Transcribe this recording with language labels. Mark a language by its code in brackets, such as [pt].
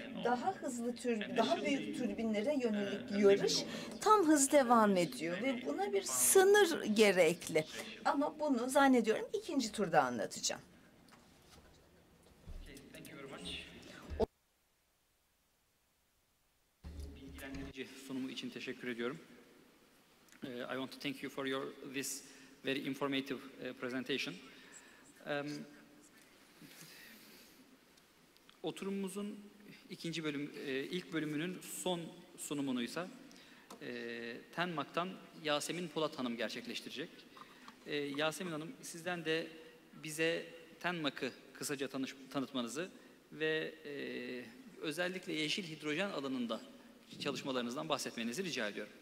[tr] Daha hızlı daha büyük türbinlere yönelik yarış tam hız devam ediyor ve buna bir sınır gerekli. Ama bunu zannediyorum ikinci turda anlatacağım. Sunumu için teşekkür ediyorum. [en] I want to thank you for your this very informative presentation. [tr] Oturumumuzun ikinci bölüm, ilk bölümünün son sunumunu ise Tenmak'tan Yasemin Polat Hanım gerçekleştirecek. Yasemin Hanım, sizden de bize Tenmak'ı kısaca tanıtmanızı ve özellikle yeşil hidrojen alanında çalışmalarınızdan bahsetmenizi rica ediyorum.